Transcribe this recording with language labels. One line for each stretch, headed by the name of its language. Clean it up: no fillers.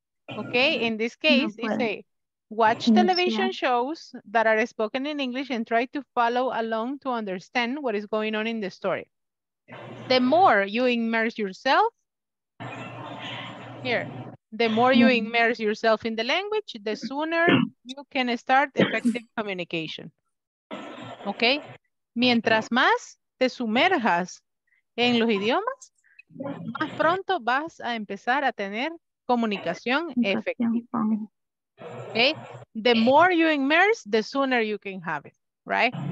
English: Okay, in this case, you say, watch television shows that are spoken in English and try to follow along to understand what is going on in the story. The more you immerse yourself, in the language, the sooner you can start effective communication.
Spanish: Okay, mientras más te sumerjas en los idiomas, más pronto vas a empezar a tener comunicación efectiva.
English: Okay, the more you immerse, the sooner you can have it, right?